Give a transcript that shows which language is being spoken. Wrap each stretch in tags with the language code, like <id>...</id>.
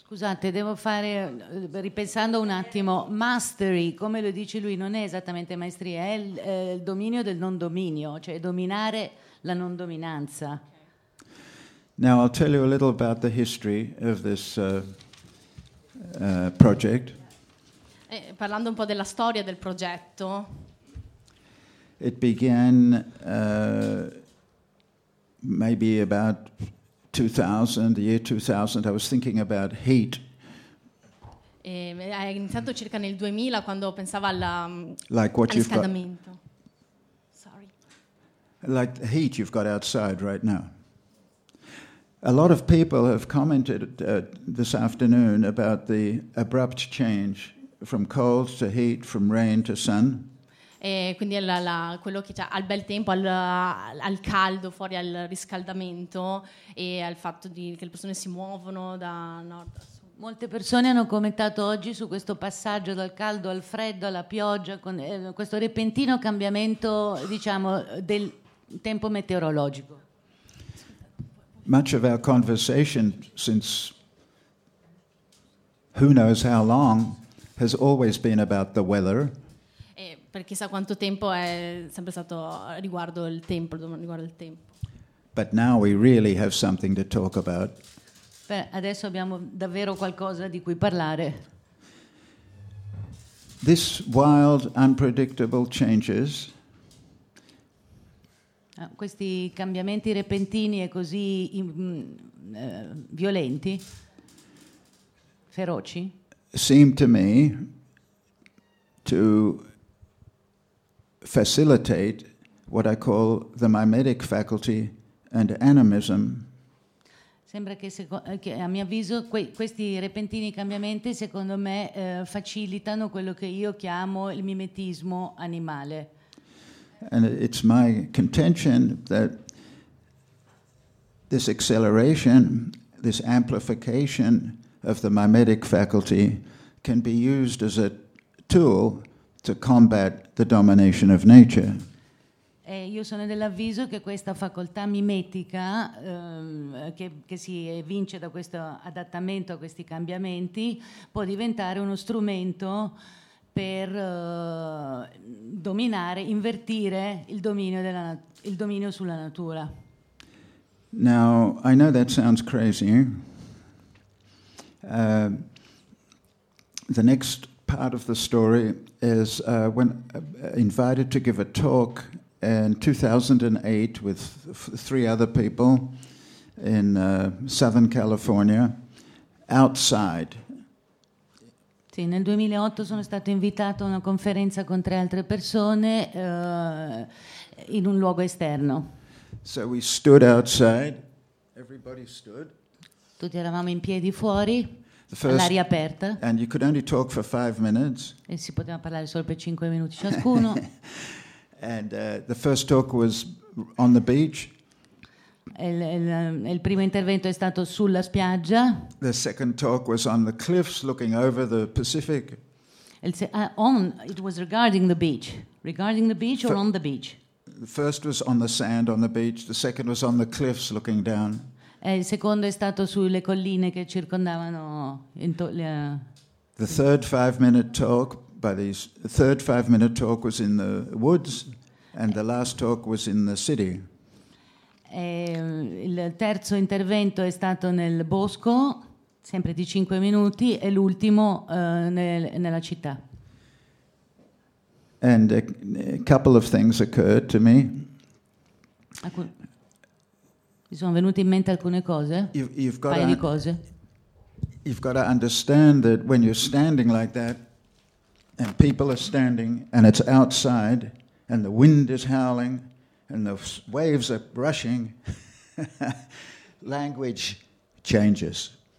<it>Scusate, devo fare, ripensando un attimo, mastery, come lo dice lui, non è esattamente maestria, è il dominio del non dominio, cioè dominare la non dominanza.</it> <en>Now I'll tell you a little about the history of this project.</en> <it>Parlando un po' della storia del progetto.</it> <en>It began maybe about 2000, the year 2000, I was thinking about heat.</en> <it>È iniziato circa nel 2000 quando pensavo alla,</it> <en>like what al you've</en> <it>riscaldamento.</it> <en>Got, sorry. Like the heat you've got outside right now. A lot of people have commented this afternoon about the abrupt change from cold to heat, from rain to sun.</en> <it>E quindi quello che c'è al bel tempo, al caldo, fuori al riscaldamento e al fatto che le persone si muovono da nord a sud. Molte persone hanno commentato oggi su questo passaggio dal caldo al freddo, alla pioggia, con questo repentino cambiamento, diciamo, del tempo meteorologico.</it> <en>Much of our conversation since who knows how long has always been about the weather.</en> <it>Per chissà quanto tempo è sempre stato riguardo il tempo, riguardo il tempo.</it> <en>But now we really have something to talk about.</en> <it>Beh, adesso abbiamo davvero qualcosa di cui parlare.</it> <en>This wild, unpredictable changes.</en> <it>Questi cambiamenti repentini e così violenti, feroci.</it> <en>Seem to me to facilitate what I call the mimetic faculty and animism.</en> <it>Sembra che a mio avviso questi repentini cambiamenti, secondo me, facilitano quello che io chiamo il mimetismo animale.</it> <en>And it's my contention that this acceleration, this amplification of the mimetic faculty can be used as a tool to combat the domination of nature.</en> <it>Io sono dell'avviso che questa facoltà mimetica che si evince da questo adattamento a questi cambiamenti può diventare uno strumento per dominare, invertire il dominio sulla natura.</it> <en>Now, I know that sounds crazy. The next part of the story is when invited to give a talk in 2008 with three other people in Southern California outside.</en> <it>Sì, nel 2008 sono stato invitato a una conferenza con tre altre persone in un luogo esterno.</it> <en>So we stood outside. Everybody stood.</en> <it>Tutti eravamo in piedi fuori. All'aria aperta.</it> <en>And you could only talk for 5 minutes.</en> <it>E si poteva parlare solo per 5 minuti ciascuno.</it> <en>And the first talk was on the beach.</en> <it>Il primo intervento è stato sulla spiaggia.</it> <en>The second talk was on the cliffs looking over the Pacific. It was regarding the beach. Regarding the beach or on the beach? The first was on the sand on the beach. The second was on the cliffs looking down.</en> <it>Il secondo è stato sulle colline che circondavano.</it> <en>The third 5 minute talk by these third 5 minute talk was in the woods, and the last talk was in the city.</en> <it>Il terzo intervento è stato nel bosco, sempre di 5 minuti, e l'ultimo nella città.</it> <en>And a couple of things occurred to me.</en> <it>Mi sono venute in mente alcune cose, paio di cose.</it> <en>You've got to understand that when you're standing like that, and people are standing, and it's outside, and the wind is howling, and the waves are rushing, language changes.</en>